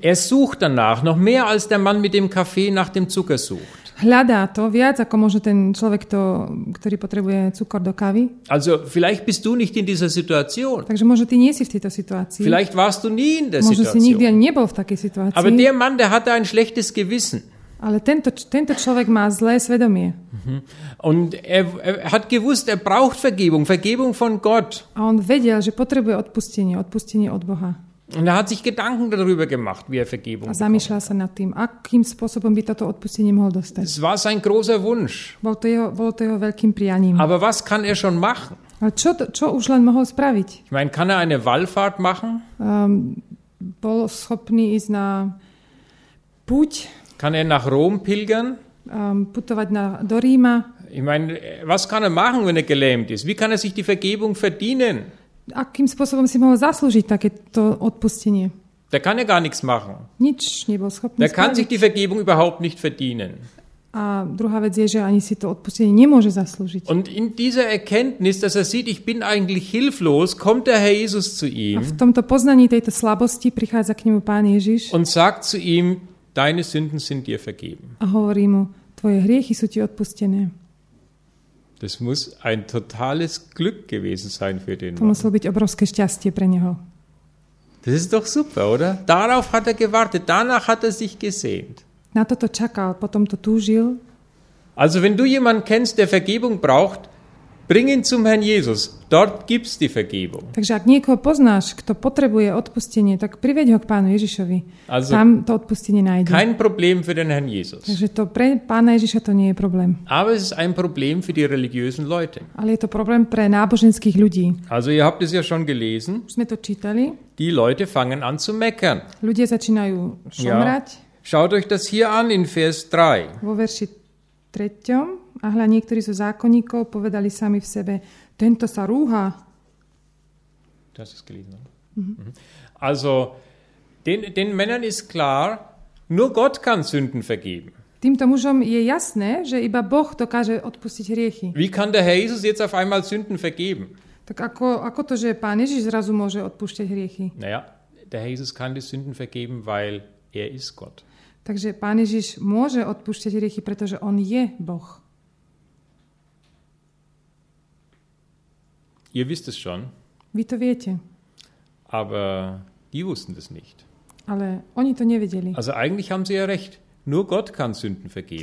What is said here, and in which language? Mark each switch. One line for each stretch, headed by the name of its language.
German: Er sucht danach noch mehr als der Mann mit dem Kaffee nach dem Zucker sucht.
Slovak: Hľadá to viac, ako možno ten človek, ktorý potrebuje cukor do kávy.
German: Also, vielleicht bist du nicht in dieser Situation.
Slovak: Takže možno ty nie si v tejto situácii.
German: Vielleicht warst du nie in der
Slovak: možno
German: Situation.
Slovak: Možno si nikdy ani nebol v takej situácii.
German: Aber der Mann, der hatte ein schlechtes Gewissen.
Slovak: Ale tento človek má zlé svedomie.
German: Und er hat gewusst, er braucht Vergebung von Gott.
Slovak: A on vedel, že potrebuje odpustenie od Boha.
German: Und er hat sich Gedanken darüber gemacht, wie er Vergebung bekommt.
Slovak: A zamýšľal sa nad tým, akým spôsobom by toto odpustenie mohol dostať.
German: Es war sein großer Wunsch.
Slovak: Bol to jeho veľkým prianím.
German: Aber was kann er schon machen?
Slovak: A čo už len mohol spraviť?
German: Ich meine, kann er eine Wallfahrt machen?
Slovak: Bol schopný ísť na púť?
German: Kann er nach Rom pilgern?
Slovak: Putovať do Ríma?
German: Ich meine, was kann er machen, wenn er gelähmt ist? Wie kann er sich die Vergebung verdienen?
Slovak: Akým spôsobom si mohol zaslúžiť takéto odpustenie?
German: Der kann ja gar nichts machen.
Slovak: Nič nebol schopný.
German: Der kann sich die Vergebung überhaupt nicht verdienen.
Slovak: A druhá vec je, že ani si to odpustenie nemôže zaslúžiť.
German: Und in dieser Erkenntnis, dass er sieht, ich bin eigentlich hilflos, kommt der Herr Jesus zu ihm.
Slovak: A v tomto poznaní tejto slabosti prichádza k nemu pán Ježiš.
German: Und sagt zu ihm, deine Sünden sind dir vergeben.
Slovak: A hovorí mu, tvoje hriechy sú ti odpustené.
German: Das muss ein totales Glück gewesen sein für den
Slovak: to
German: Mann.
Slovak: Muselo byť obrovské šťastie pre neho.
German: Das ist doch super, oder? Darauf hat er gewartet, danach hat er sich gesehnt.
Slovak: Na toto čakal, potom to túžil.
German: Also wenn du jemanden kennst, der Vergebung braucht, bring ihn zum Herrn Jesus. Dort gibt's die Vergebung.
Slovak: Takže ak niekoho poznáš, kto potrebuje odpustenie, tak priveď ho k Pánu Ježišovi.
German: Also
Slovak: tam to odpustenie nájde.
German: Kein Problem für den Herrn Jesus.
Slovak: Takže to pre Pána Ježiša to nie je problém.
German: Aber es ist ein Problem für die religiösen Leute.
Slovak: Ale je to problém pre náboženských ľudí.
German: Also ihr habt es ja schon gelesen.
Slovak: Už sme to čítali.
German: Die Leute fangen an zu meckern.
Slovak: Ľudia začínajú šomrať. Ja.
German: Schaut euch das hier an in Vers 3.
Slovak: Vo verši 3. A hľa, niektorí zo zákonníkov povedali sami v sebe, tento sa rúha.
German: Das ist gelesen. Mhm. Also, den Männern ist klar, nur Gott kann Sünden vergeben.
Slovak: Týmto mužom je jasné, že iba Boh dokáže odpustiť hriechy.
German: Wie kann der Herr Jesus jetzt auf einmal Sünden vergeben?
Slovak: Tak ako to, že Pán Ježiš zrazu môže odpúšťať hriechy?
German: Naja, der Herr Jesus kann die Sünden vergeben, weil er ist Gott.
Slovak: Takže Pán Ježiš môže odpúšťať hriechy, pretože on je Boh.
German: Ihr wisst es schon.
Slovak: Vy to viete.
German: Aber die wussten das nicht.
Slovak: Ale oni to nevedeli.
German: Also eigentlich haben sie ja recht. Nur Gott kann Sünden vergeben.